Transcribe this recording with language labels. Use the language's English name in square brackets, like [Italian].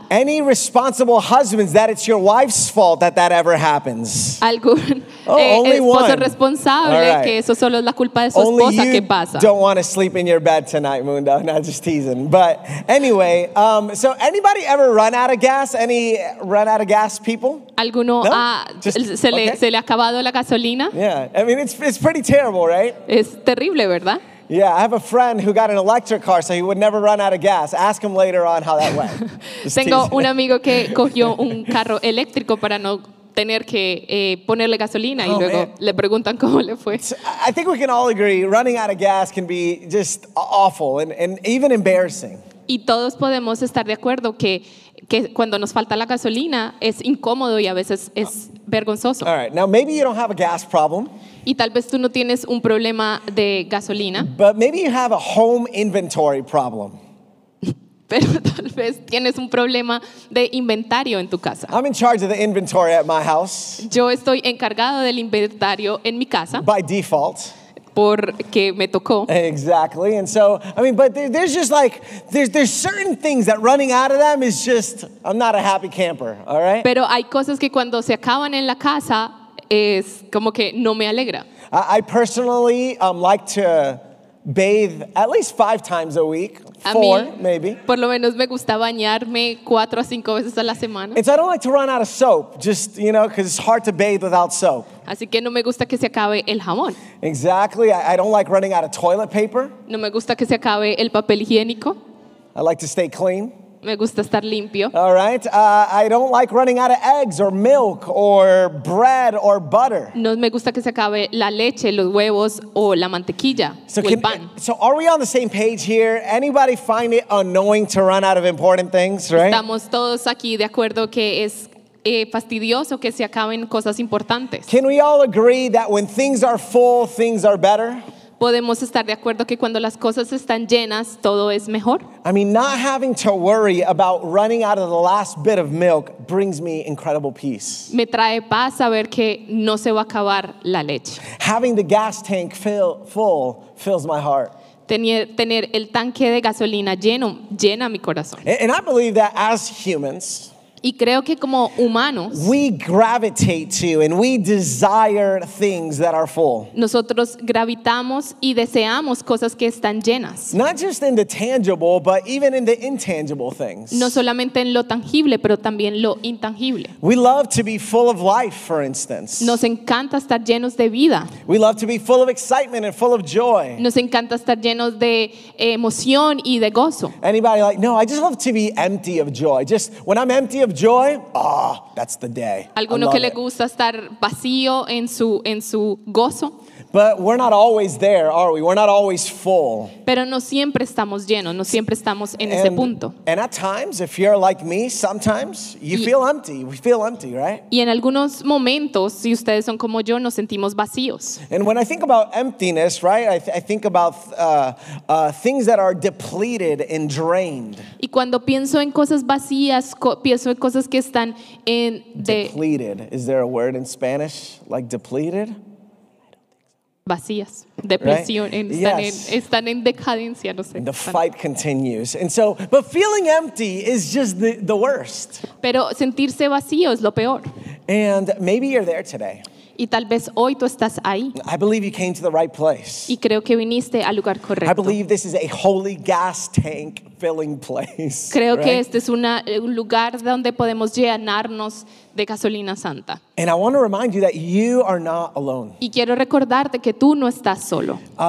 [English] Any responsible husbands that it's your wife's fault that that ever happens? Only one. Don't want to sleep in your bed tonight, Mundo. Not just teasing. But anyway, so anybody ever run out of gas? Any run out of gas people? [Spanish] ¿Alguno ha se le ha acabado la gasolina? [English] Yeah. I mean, it's pretty terrible, right? [Spanish] Es terrible, ¿verdad? [English] Yeah, I have a friend who got an electric car, so he would never run out of gas. Ask him later on how that went. [Spanish] Tengo un amigo que cogió un carro eléctrico para no tener que ponerle gasolina y luego le preguntan cómo le fue. [English] I think we can all agree running out of gas can be just awful and even embarrassing. [Spanish] Y todos podemos estar de acuerdo que cuando nos falta la gasolina es incómodo y a veces es vergonzoso. [English] All right, now maybe you don't have a gas problem. [Spanish] Y tal vez tú no tienes un problema de gasolina. [English] But maybe you have a home inventory problem. [Spanish] Pero tal vez tienes un problema de inventario en tu casa. [English] I'm in charge of the inventory at my house. [Spanish] Yo estoy encargado del inventario en mi casa. [English] By default. [Spanish] Porque me tocó. [English] Exactly. And so, I mean, but there's just like, there's certain things that running out of them is just, I'm not a happy camper, all right? [Spanish] Pero hay cosas que cuando se acaban en la casa, es como que no me alegra. [English] I personally like to bathe at least 5 times a week. [Spanish] Por lo menos me gusta bañarme 4 a 5 veces a la semana. [English] And so I don't like to run out of soap, just, you know, because it's hard to bathe without soap. [Spanish] Así que no me gusta que se acabe el jabón. [English] Exactly. I don't like running out of toilet paper. [Spanish] No me gusta que se acabe el papel higiénico. [English] I like to stay clean. [Spanish] Me gusta estar limpio. [English] All right. I don't like running out of eggs or milk or bread or butter. [Spanish] No me gusta que se acabe la leche, los huevos o la mantequilla o el pan. [English] So are we on the same page here? Anybody find it annoying to run out of important things, right? [Spanish] Estamos todos aquí de acuerdo que es fastidioso que se acaben cosas importantes. [English] Can we all agree that when things are full, things are better? [Spanish] Podemos estar de acuerdo que cuando las cosas están llenas, todo es mejor. [English] I mean, not having to worry about running out of the last bit of milk brings me incredible peace. [Spanish] Me trae paz saber que no se va a acabar la leche. [English] Having the gas tank full fills my heart. [Spanish] Tener el tanque de gasolina lleno llena mi corazón. [English] And I believe that as humans, [Spanish] y creo que como humanos, [English] we gravitate to and we desire things that are full. [Spanish] Nosotros gravitamos y deseamos cosas que están llenas. [English] Not just in the tangible, but even in the intangible things. [Spanish] No solamente en lo tangible, pero también lo intangible. [English] We love to be full of life, for instance. [Spanish] Nos encanta estar llenos de vida. [English] We love to be full of excitement and full of joy. [Spanish] Nos encanta estar llenos de emoción y de gozo. [English] Anybody like, no, I just love to be empty of joy. Just when I'm empty of joy, ah, oh, that's the day. [Spanish] Alguno que le gusta estar vacío en su gozo. [English] But we're not always there, are we? We're not always full. [Spanish] Pero no siempre estamos llenos, no siempre estamos en ese punto. [English] And at times, if you're like me, sometimes you feel empty. We feel empty, right? [Spanish] Y en algunos momentos, si ustedes son como yo, nos sentimos vacíos. [English] And when I think about emptiness, right, I think about things that are depleted and drained. [Spanish] Y cuando pienso en cosas vacías, pienso en cosas que están en [English] depleted. Is there a word in Spanish like depleted? [Spanish] Vacías, depresión, right? están en decadencia, no sé. [English] And the fight continues. And so, but feeling empty is just the worst. [Spanish] Pero sentirse vacío es lo peor. [English] And maybe you're there today. [Spanish] Y tal vez hoy tú estás ahí. [English] I believe you came to the right place. [Spanish] Y creo que viniste al lugar correcto. [English] I believe this is a holy gas tank filling place. [Spanish] Creo [English] right? [Spanish] que este es un lugar donde podemos llenarnos de gasolina santa. [English] And I want to remind you that you are not alone. [Spanish] Y quiero recordarte que tú no estás solo.